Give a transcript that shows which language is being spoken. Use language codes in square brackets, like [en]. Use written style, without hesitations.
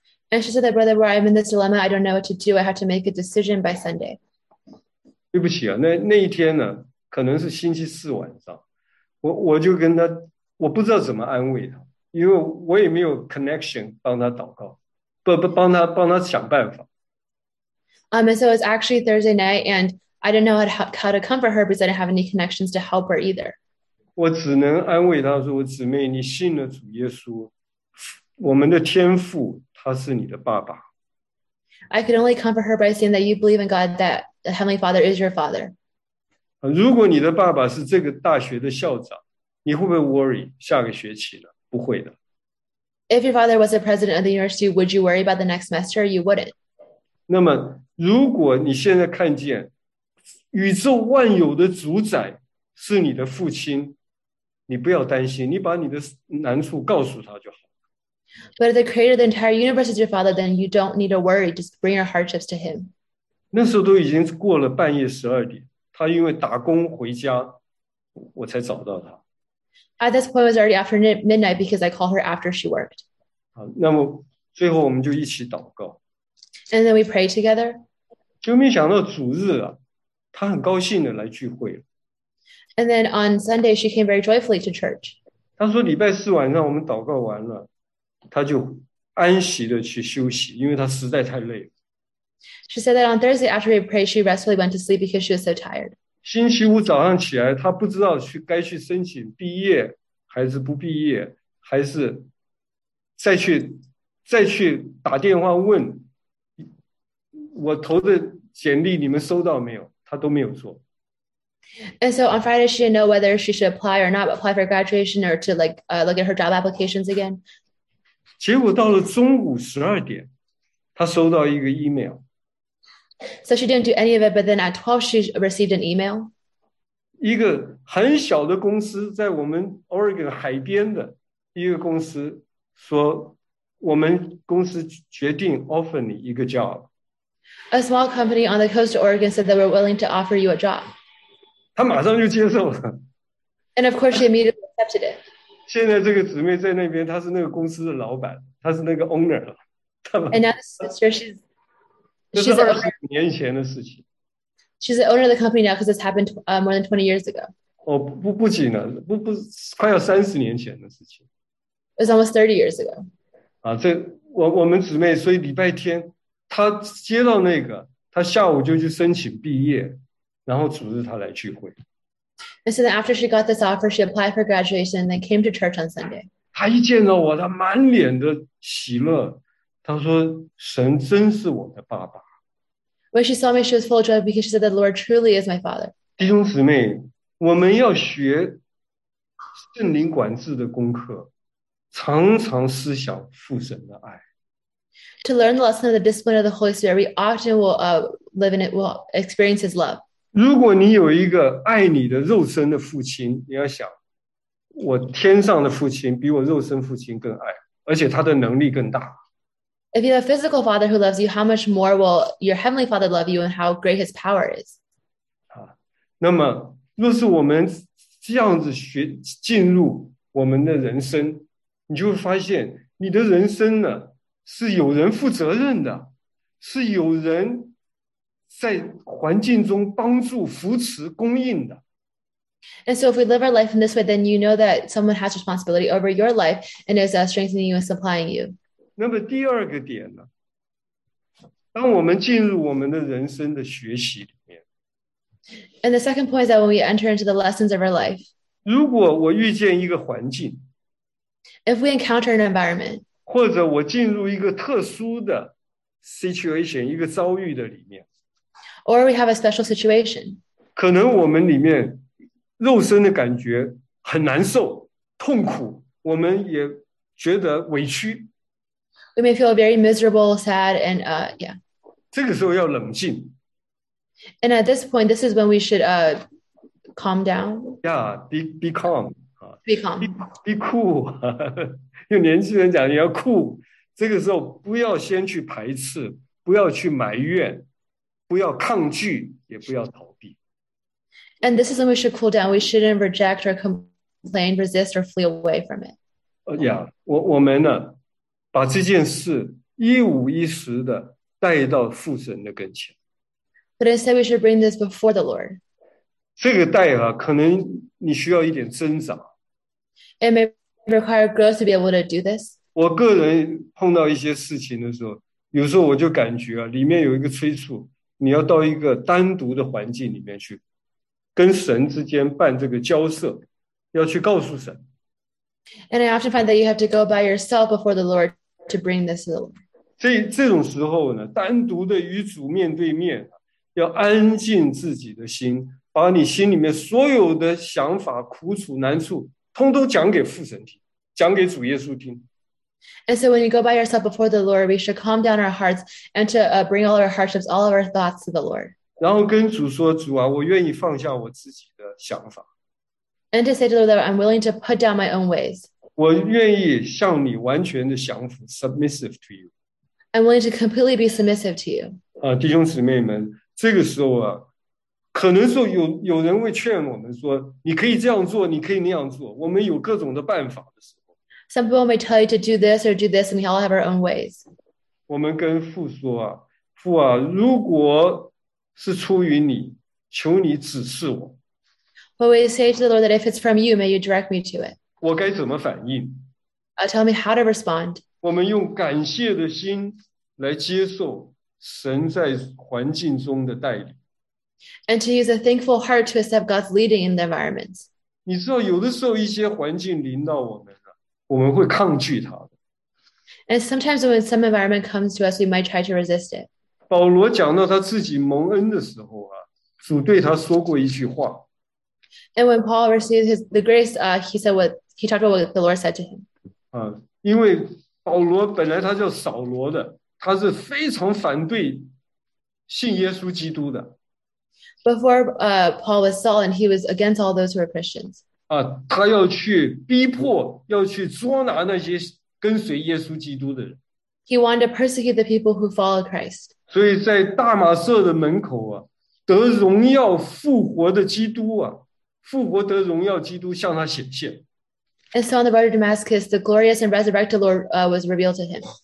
[en] And she said that, brother, where I'm in this dilemma, I don't know what to do, I have to make a decision by Sunday. [zh] 对不起啊，那一天呢，可能是星期四晚上，我就跟她，我不知道怎么安慰她。因为我也没有 connection 帮他祷告，不帮他想办法。 [en] And so it was actually Thursday night, and I didn't know how to comfort her because I didn't have any connections to help her either. [zh] 我只能安慰他说：“我姊妹，你信了主耶稣，我们的天父他是你的爸爸。” [en] I could only comfort her by saying that you believe in God, that the Heavenly Father is your father. [zh] 如果你的爸爸是这个大学的校长，你会不会 worry 下个学期呢？不会的。 [en] If your father was the president of the university, would you worry about the next semester? You wouldn't. [zh] 那么，如果你现在看见宇宙万有的主宰是你的父亲，你不要担心，你把你的难处告诉他就好。 [en] But if the creator of the entire universe is your father, then you don't need to worry. Just bring your hardships to him. [zh] 那时候都已经过了半夜十二点，他因为打工回家，我才找到他。 [en] At this point, it was already after midnight because I called her after she worked. [zh] 好，那么最后我们就一起祷告。 [en] And then we prayed together. [zh] 就没想到主日啊，她很高兴的来聚会了。 [en] And then on Sunday, she came very joyfully to church. [zh] 她说礼拜四晚上我们祷告完了，她就安息的去休息，因为她实在太累了。 [en] She said that on Thursday after we prayed, she restfully went to sleep because she was so tired. [zh] 星期五早上起来，他不知道该去申请毕业还是不毕业，还是再去打电话问，我投的简历你们收到没有？她都没有做。 [en] And so on Friday, she didn't know whether she should apply or not, apply for graduation or to like look at her job applications again. [zh] 结果到了中午12点，她收到一个 email。 [en] So she didn't do any of it, but then at 12, she received an email. [zh] 一个很小的公司，在我们 Oregon 海边的一个公司说，我们公司决定 offer 你一个 job。 [en] A small company on the coast of Oregon said they were willing to offer you a job. [zh] 她马上就接受了。 [en] And of course, she immediately accepted it. [zh] 现在这个姊妹在那边，她是那个公司的老板，她是那个 owner 了。 [en] And now the sister, she's [zh] 20年前的事情。 [en] She's the owner of the company now because this happened more than 20 years ago. [zh] 哦，不仅了，不，快要30年前的事情。 [en] It was almost 30 years ago. [zh] 啊，这我们姊妹，所以礼拜天。他接到那个，他下午就去申请毕业，然后组织他来聚会。 [en] And so then after she got this offer, she applied for graduation and then came to church on Sunday. [zh] 他一见到我，他满脸的喜乐，他说：“神真是我的爸爸。” [en] When she saw me, she was full of joy because she said, "The Lord truly is my father." [zh] 弟兄姊妹，我们要学圣灵管制的功课，常常思想父神的爱。 [en] To learn the lesson of the discipline of the Holy Spirit, we often will live in it, will experience His love. [zh] 如果你有一个爱你的肉身的父亲，你要想，我天上的父亲比我肉身父亲更爱，而且他的能力更大。 [en] If you have a physical father who loves you, how much more will your heavenly father love you, and how great His power is? [zh] 啊，那么若是我们这样子学进入我们的人生，你就会发现你的人生呢。是有人负责任的，是有人在环境中帮助、扶持、供应的。 [en] And so, if we live our life in this way, then you know that someone has responsibility over your life and is strengthening you and supplying you. [zh] 那么第二个点呢？当我们进入我们的人生的学习里面。 [en] And the second point is that when we enter into the lessons of our life. [zh] 如果我遇见一个环境。 [en] If we encounter an environment. [zh] 或者我进入一个特殊的 situation， 一个遭遇的里面。 [en] Or we have a special situation。 [zh] 可能我们里面肉身的感觉很难受、痛苦，我们也觉得委屈。 [en] We may feel very miserable, sad, and yeah。 [zh] 这个时候要冷静。 [en] And at this point, this is when we should calm down. Yeah, be calm. Be calm. Be cool. [zh] 用年轻人讲，你要酷。这个时候不要先去排斥，不要去埋怨，不要抗拒，也不要逃避。 [en] And this is when we should cool down. We shouldn't reject or complain, resist or flee away from it. [zh] Yeah, 我们呢，把这件事一五一十的带到父神的跟前。 [en] But instead, we should bring this before the Lord. [zh] 这个带啊，可能你需要一点挣扎。 [en] Require growth to be able to do this. [zh] 我个人碰到一些事情的时候，有时候我就感觉啊，里面有一个催促，你要到一个单独的环境里面去，跟神之间办这个交涉，要去告诉神。 [en] And I often find that you have to go by yourself before the Lord to bring this to the Lord. [zh] 这种时候呢，单独的与主面对面，要安静自己的心，把你心里面所有的想法、苦楚、难处。通通讲给父神听，讲给主耶稣听。 [en] And so when you go by yourself before the Lord, we should calm down our hearts and to bring all our hardships, all of our thoughts to the Lord. [zh] 然后跟主说，主啊，我愿意放下我自己的想法。 [en] And to say to the Lord, I'm willing to put down my own ways. [zh] 我愿意向你完全的降服 ， [en] submissive to you. I'm willing to completely be submissive to you. [zh] 啊，弟兄姊妹们，这个时候啊。可能说有人会劝我们说，你可以这样做，你可以那样做，我们有各种的办法的时候。 [en] Some people may tell you to do this or do this, and we all have our own ways. [zh] 我们跟父说啊，父啊，如果是出于你，求你指示我。 [en] But we say to the Lord that if it's from you, may you direct me to it. [zh] 我该怎么反应？ [en] Tell me how to respond. [zh] 我们用感谢的心来接受神在环境中的带领。 [en] And to use a thankful heart to accept God's leading in the environment. [zh] 你知道，有的时候一些环境临到我们了，我们会抗拒它的。 [en] And sometimes when some environment comes to us, we might try to resist it. [zh] 保罗讲到他自己蒙恩的时候啊，主对他说过一句话。 [en] And when Paul received the grace, he said what he talked about what the Lord said to him. [zh] 啊，因为保罗本来他叫扫罗的，他是非常反对信耶稣基督的。 [en] Before Paul was Saul, and he was against all those who were Christians. [zh] 啊，他要去逼迫，要去捉拿那些跟随耶稣基督的人。 [en] He wanted to persecute the people who followed Christ. [zh] 所以在大马色的门口啊，得荣耀复活的基督啊，复活得荣耀基督向他显现。 [en] And so on the road to Damascus, the glorious and resurrected Lord was revealed to him.